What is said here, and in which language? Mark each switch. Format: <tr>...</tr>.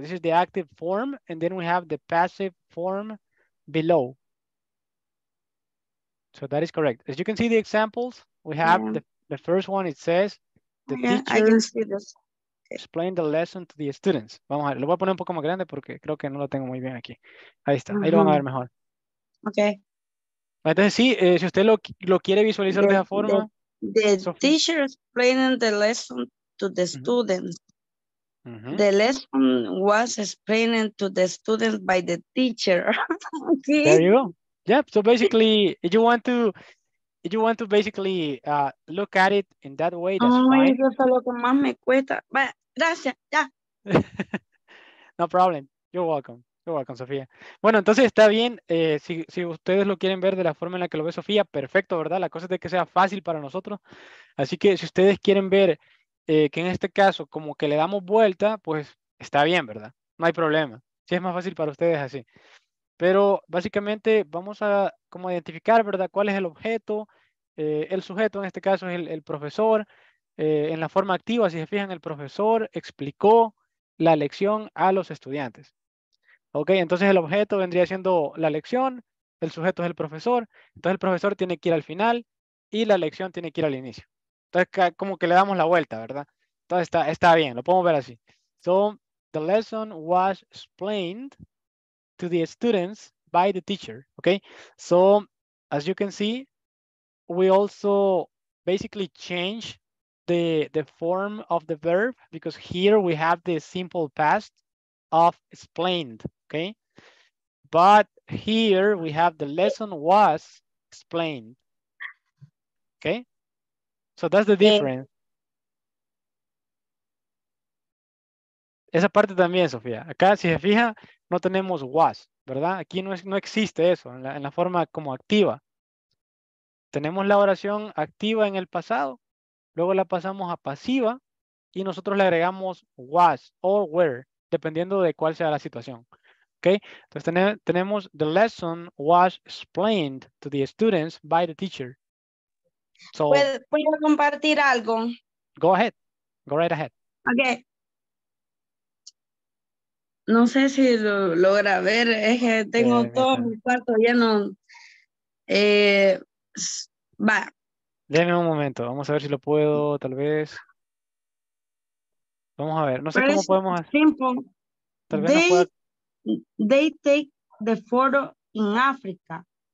<en>This is the active form, and then we have the passive form below. So that is correct. As you can see the examples, we have the first one, it says, the teacher... I can see this. Explain the lesson to the students.</en> <es>Vamos a ver, lo voy a poner un poco más grande porque creo que no lo tengo muy bien aquí. Ahí está, ahí lo van a ver mejor. Ok. Entonces, sí, si usted lo quiere visualizar de esa forma.</es> <en>The teacher explaining the lesson to the students. The lesson was explained to the students by the teacher. Okay. There you go. Yeah, so basically, if you want to basically look at it in that way, that's fine.</en> <es>Ay, eso es lo que más me cuesta. Vaya, gracias, ya.</es> <en>No problem. You're welcome. You're welcome, Sofía.</en> <es>Bueno, entonces está bien. Si ustedes lo quieren ver de la forma en la que lo ve Sofía, perfecto, ¿verdad? La cosa es de que sea fácil para nosotros. Así que si ustedes quieren ver que en este caso como que le damos vuelta, pues está bien, ¿verdad? No hay problema. Si es más fácil para ustedes así. Pero básicamente vamos a como identificar, ¿verdad? ¿Cuál es el objeto? El sujeto en este caso es el profesor. En la forma activa, si se fijan, el profesor explicó la lección a los estudiantes. Ok, entonces el objeto vendría siendo la lección, el sujeto es el profesor, entonces el profesor tiene que ir al final y la lección tiene que ir al inicio. Entonces como que le damos la vuelta, ¿verdad? Entonces está bien, lo podemos ver así.</es> <en>So, the lesson was explained to the students by the teacher, ok? So, as you can see, we also basically change the form of the verb because here we have the simple past of explained, okay? But here we have the lesson was explained, okay? So that's the difference. Okay.</en> <es>Esa parte también, Sofía. Acá, si se fija, no tenemos was, ¿verdad? Aquí no existe eso en la forma como activa. Tenemos la oración activa en el pasado, luego la pasamos a pasiva y nosotros le agregamos</es> <en>was or were,</en> <es>dependiendo de cuál sea la situación. Okay? Entonces tenemos</es> <en>the lesson was explained to the students by the teacher.</en> <es>So, ¿puedo compartir algo?</es> <en>Go ahead. Go right ahead. Okay.</en> <es>No sé si lo logra ver, es que tengo todo mi cuarto lleno. Va. Deme un momento, vamos a ver si lo puedo, tal vez. Vamos a ver, no sé pero cómo podemos hacer.</es> <en>Simple.</en> <es>Tal vez</es> <en>they take the photo in Africa.</en>